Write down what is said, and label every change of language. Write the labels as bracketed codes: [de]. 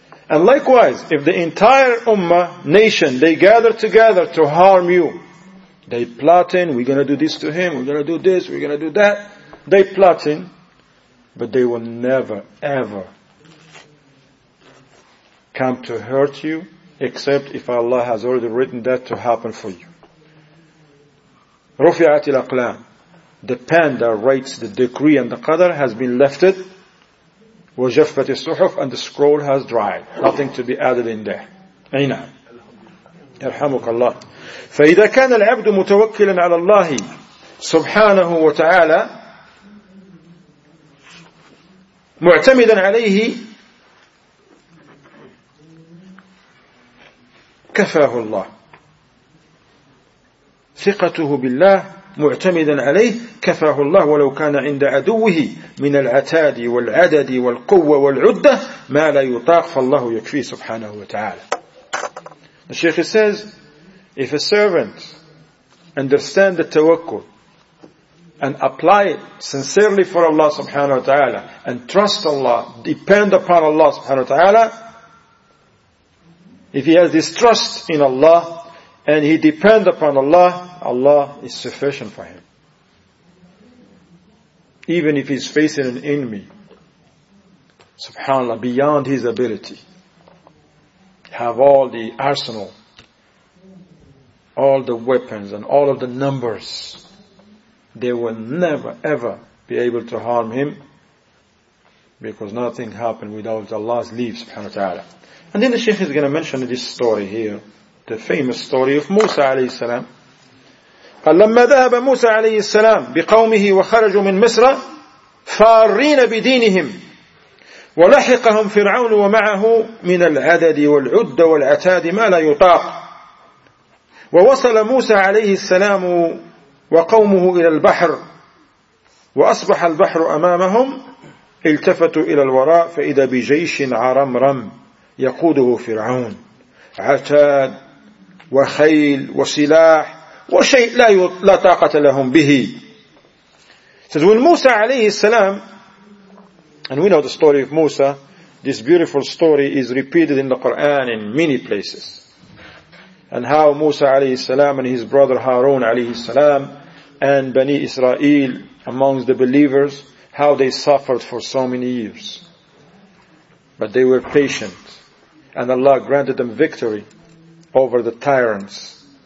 [en] And likewise, if the entire ummah, nation, they gather together to harm you, they plotting, we're going to do this to him, we're going to do this, we're going to do that, they plotting, but they will never, ever come to hurt you, except if Allah has already written that to happen for you. [ar] رفعت الأقلام, [en] the pen that writes the decree and the qadr has been lifted. [ar] وجفت الصحف, [en] and the scroll has dried. Nothing to be added in there. [ar] أين يرحمك الله. فإذا كان العبد متوكلا على الله سبحانه وتعالى معتمدا عليه كفاه الله. ثقته بالله معتمدا عليه كفاه الله ولو كان عند عدوه من العتاد والعدد والقوة والعدة ما لا يطاق فالله يكفي سبحانه وتعالى. [en] The Sheikh says, if a servant understand the tawakkul and apply it sincerely for Allah subhanahu wa ta'ala and trust Allah, depend upon Allah subhanahu wa ta'ala, if he has this trust in Allah and he depend upon Allah, Allah is sufficient for him. Even if he's facing an enemy, subhanAllah, beyond his ability, have all the arsenal, all the weapons and all of the numbers, they will never ever be able to harm him, because nothing happened without Allah's leave, subhanahu wa ta'ala. And then the Shaykh is going to mention this story here, the famous story of Musa alayhi salam. [ar] لما ذهب موسى عليه السلام بقومه وخرجوا من مصر فارين بدينهم ولحقهم فرعون ومعه من العدد والعدة والعتاد ما لا يطاق. ووصل موسى عليه السلام وقومه إلى البحر وأصبح البحر أمامهم. التفتوا إلى الوراء فإذا بجيش عرمرم يقوده فرعون, عتاد وخيل وسلاح وشيء لا طاقة لهم به. [en] Says when Musa alayhi salam, and we know the story of Musa, this beautiful story is repeated in the Quran in many places, and how Musa alayhi salam and his brother Harun alayhi salam and Bani Israel amongst the believers, how they suffered for so many years, but they were patient and Allah granted them victory over the tyrants.